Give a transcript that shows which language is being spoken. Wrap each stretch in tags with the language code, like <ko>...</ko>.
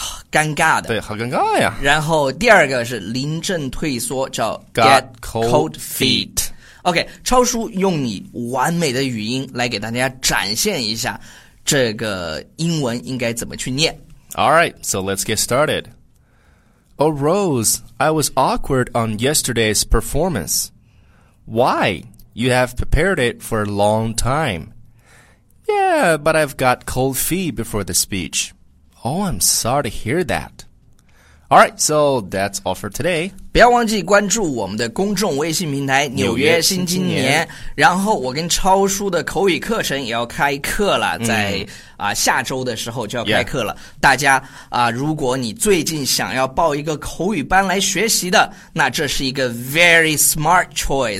<zh>尴尬的，对，好尴尬呀。然后第二个是临阵退缩，叫</zh> <en>get cold feet。</en> <zh>OK， 超叔用你完美的语音来给大家展现一下这个英文应该怎么去念。</zh> <en>Alright, so let's get started. Oh Rose, I was awkward on yesterday's performance. Why? You have prepared it for a long time. Yeah, but I've got cold feet before the speech. Oh, I'm sorry to hear that. Alright, so that's all for today.</en> <zh>不要忘记关注我们的公众微信平台纽约新青年，然后我跟超叔的口语课程也要开课了，在下周的时候就要开课了。大家如果你最近想要报一个口语班来学习的，那这是一个</zh> <en>very smart choice.</en>